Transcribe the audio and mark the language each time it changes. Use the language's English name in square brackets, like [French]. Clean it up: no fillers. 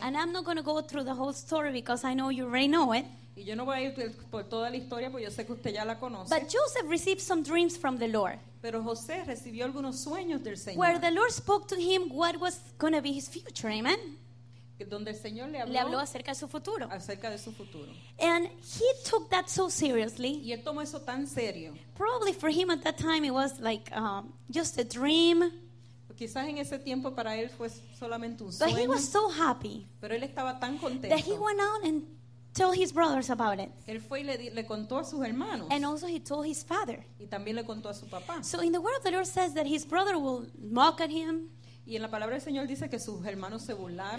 [English] and I'm not going to go through the whole story because I know you already know it. [Spanish] Y yo no voy a ir por toda la historia porque yo sé que usted ya la conoce. [English] But Joseph received some dreams from the Lord. [Spanish] Pero José recibió algunos sueños del Señor. [English] Where the Lord spoke to him what was going to be his future, amen. [Spanish] Donde el Señor le habló. Le habló acerca de su futuro. Acerca de su futuro. [English] And he took that so seriously. [Spanish] Y él tomó eso tan serio. [English] Probably for him at that time it was like just a dream. [Spanish] Quizás en ese tiempo para él fue solamente un sueño. [English] But he was so happy. [Spanish] Pero él estaba tan contento. [English] That he went out and told his brothers about it. [Spanish] Él fue y le contó a sus hermanos. [English] And also he told his father. [Spanish] Y también le contó a su papá. [English] So in the word of the Lord says that his brother will mock at him. [Spanish] Y en la palabra del Señor dice que sus hermanos se burlaron.